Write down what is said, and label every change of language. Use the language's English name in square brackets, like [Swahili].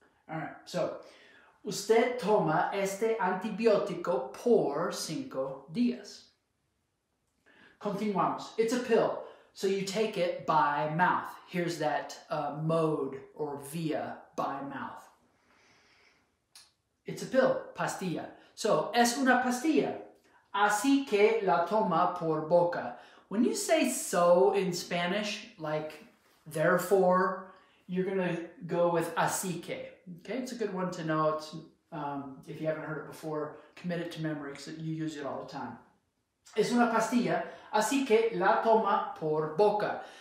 [English] All right, so, [Spanish] usted toma este antibiótico por 5 días. Continuamos. [English] It's a pill, so you take it by mouth. Here's that mode or via, by mouth. It's a pill, [Spanish] pastilla. So, es una pastilla. Así que la toma por boca. [English] When you say so in Spanish, like therefore, you're going to go with así que. Okay, it's a good one to know. If you haven't heard it before, commit it to memory because you use it all the time. [Spanish] Es una pastilla, así que la toma por boca.